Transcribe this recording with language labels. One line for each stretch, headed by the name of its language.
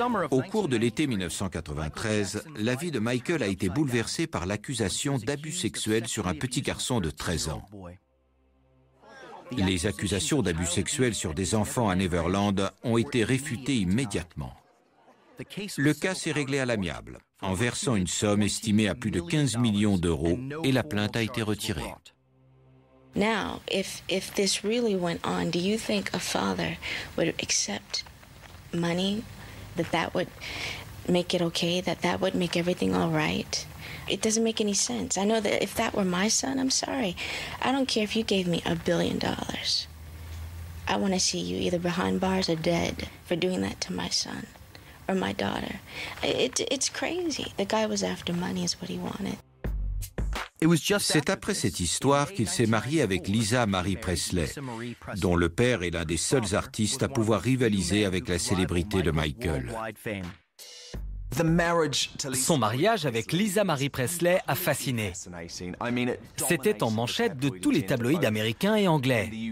French: Au cours de l'été 1993, la vie de Michael a été bouleversée par l'accusation d'abus sexuels sur un petit garçon de 13 ans. Les accusations d'abus sexuels sur des enfants à Neverland ont été réfutées immédiatement. Le cas s'est réglé à l'amiable, en versant une somme estimée à plus de 15 millions d'euros et la plainte a été retirée.
English: Now, if this really went on, do you think a father would accept money, that would make it okay, that would make everything all right? It doesn't make any sense. I know that if that were my son, I'm sorry. I don't care if you gave me $1 billion. I want to see you either behind bars or dead for doing that to my son or my daughter. It's crazy. The guy was after money is what he wanted.
French: C'est après cette histoire qu'il s'est marié avec Lisa Marie Presley, dont le père est l'un des seuls artistes à pouvoir rivaliser avec la célébrité de Michael. Son mariage avec Lisa Marie Presley a fasciné. C'était en manchette de tous les tabloïds américains et anglais.